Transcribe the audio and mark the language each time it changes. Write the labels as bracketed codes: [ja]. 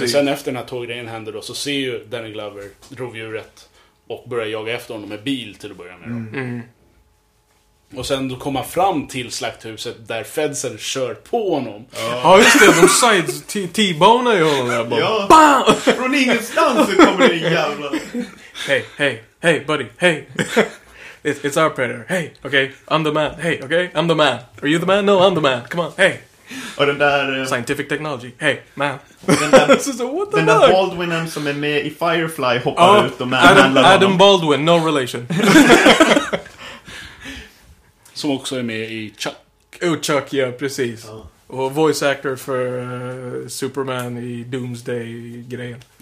[sv] Men sen efter den här tåggrejen hände då, så ser ju Danny Glover rovdjuret. Och börja jaga efter honom med bil till att börja med. Mm. Och sen då komma fram till slakthuset där Fedsen kör på honom. Ja, just det, de sides T-bonar ju honom där. Bara, ja, bam! Från ingenstans så kommer det en jävla... [en] Hey, hey, hey buddy, hey. It's our predator, hey, okay. I'm the man, hey, okay, I'm the man. Are you the man? No, I'm the man, come on, hey. [sv] Och den där... [en] Scientific technology, hey, man. [sv] Den där Baldwinen som är med i Firefly hoppar ut och manhandlar [en] honom. Adam Baldwin, no relation. [sv] Som också är med i Chuck. Oh, Chuck, ja, precis. Och voice actor för Superman i Doomsday-grejen.